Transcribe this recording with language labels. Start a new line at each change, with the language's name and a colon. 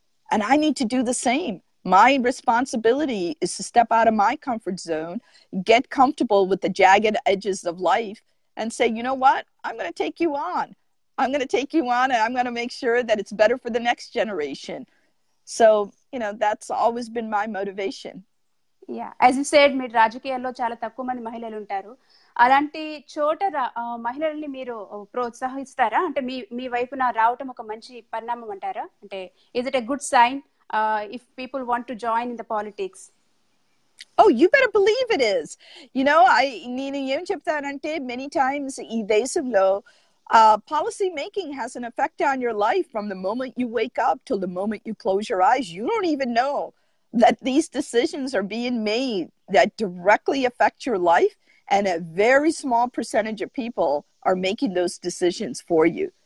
English: And I need to do the same. My responsibility is to step out of my comfort zone, get comfortable with the jagged edges of life, and say, you know what? I'm going to take you on. I'm going to take you on, and I'm going to make sure that it's better for the next generation. So, you know, that's always been my motivation. Yeah, as you said,
Telugu: మీరు రాజకీయాల్లో చాలా తక్కువ మంది మహిళలు ఉంటారు. అలాంటి చోట మహిళల్ని మీరు ప్రోత్సహిస్తారా? అంటే మీ మీ వైపున రావటం ఒక మంచి పరిణామం అంటారా? అంటే
English: Is it a good sign if people want to join in the politics? Oh, you better believe it is. You know,
Telugu: నేను ఏం చెప్తానంటే,
English: many times
Telugu: ఈ దేశంలో
English: policy making has an effect on your life from the moment you wake up till the moment you close your eyes. You don't even know that these decisions are being made that directly affect your life, and a very small percentage of people are making those decisions for you.